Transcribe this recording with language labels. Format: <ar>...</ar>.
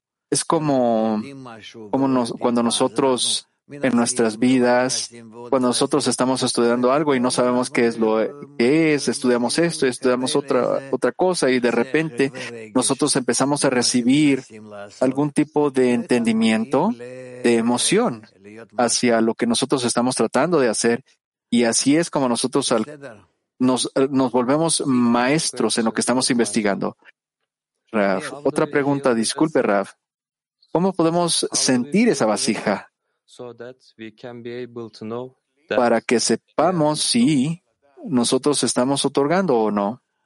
<es>Es cuando nosotros en nuestras vidas, cuando nosotros estamos estudiando algo y no sabemos qué es lo que es, estudiamos esto, estudiamos otra cosa, y de repente nosotros empezamos a recibir algún tipo de entendimiento, de emoción hacia lo que nosotros estamos tratando de hacer, y así es como nosotros nos volvemos maestros en lo que estamos investigando. Raf, otra pregunta, disculpe Raf, ¿cómo podemos sentir esa vasija?</es> <en>So that we can be able to know that,</en> <es>para que sepamos si nosotros estamos otorgando o no.</es>